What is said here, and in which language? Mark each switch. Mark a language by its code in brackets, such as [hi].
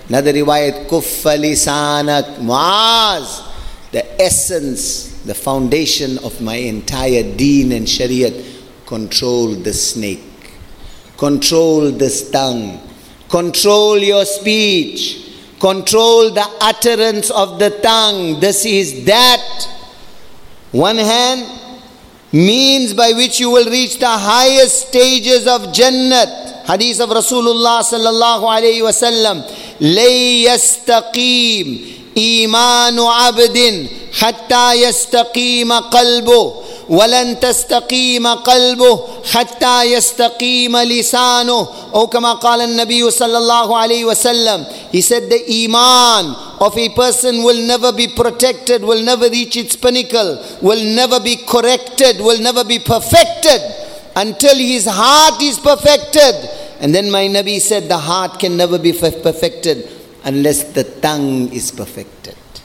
[en] Another riwayat, [ar] kuffa lisanak. [en] Muaz, the essence, the foundation of my entire deen and shariat, control the snake, control this tongue, control your speech, control the utterance of the tongue. This is that one hand means by which you will reach the highest stages of Jannat. Hadith of Rasulullah sallallahu alayhi wa sallam, [ar] لَيَسْتَقِيمْ إِيمَانُ عَبْدٍ حَتَّى يَسْتَقِيمَ قَلْبُهُ وَلَن تَسْتَقِيمَ قَلْبُهُ حَتَّى يَسْتَقِيمَ لِسَانُهُ. [en] Oh, [ar] كَمَا قَالَ النَّبِيُّ [en] sallallahu alayhi wa sallam, he said the iman of a person will never be protected, will never reach its pinnacle, will never be corrected, will never be perfected until his heart is perfected. And then my Nabi said, the heart can never be perfected unless the tongue is perfected.